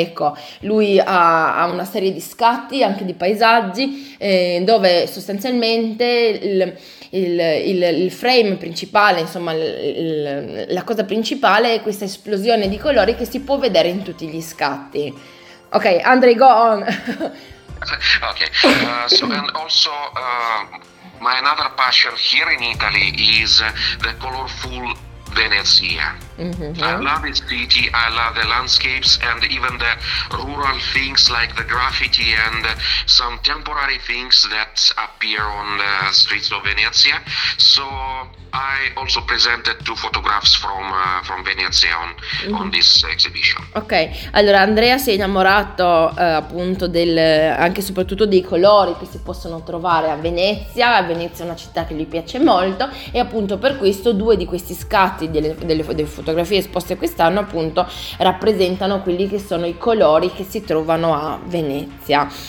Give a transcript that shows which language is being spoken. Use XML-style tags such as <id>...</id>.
<it>Ecco, lui ha una serie di scatti anche di paesaggi dove sostanzialmente il frame principale, insomma la cosa principale è questa esplosione di colori che si può vedere in tutti gli scatti.</it> <en>Ok, Andrei, go on. Okay, so and also my another passion here in Italy is the colorful Venezia. Mm-hmm. I love its city, I love the landscapes and even the rural things like the graffiti and some temporary things that appear on the streets of Venezia. So I also presented two photographs from Venezia on this exhibition.</en> <it>Ok, allora Andrea si è innamorato appunto del, anche soprattutto dei colori che si possono trovare a Venezia. Venezia è una città che gli piace molto e appunto per questo due di questi scatti delle fotografie esposte quest'anno appunto rappresentano quelli che sono i colori che si trovano a Venezia.</it>